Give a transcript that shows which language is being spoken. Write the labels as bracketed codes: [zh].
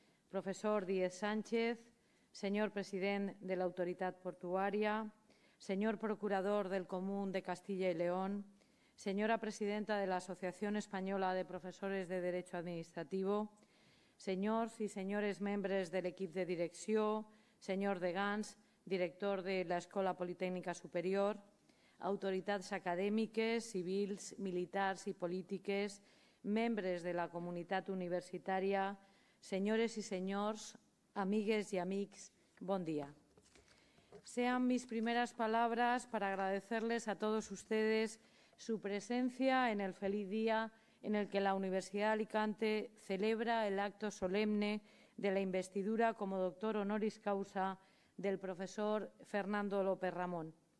[es] profesor Díez Sánchez, señor presidente de la Autoridad Portuaria, señor procurador del Común de Castilla y León, señora presidenta de la Asociación Española de Profesores de Derecho Administrativo, señores y señores miembros del equipo de dirección, señor Degans, [ca] director de la Escola Politécnica Superior, autoritats acadèmiques, civils, militars i polítiques, membres de la comunitat universitària, senyores i senyors, amigues i amics, bon dia. [es] Sean mis primeras palabras para agradecerles a todos ustedes su presencia en el feliz día en el que la Universidad de Alicante celebra el acto solemne de la investidura como doctor honoris causa del profesor Fernando López Ramón.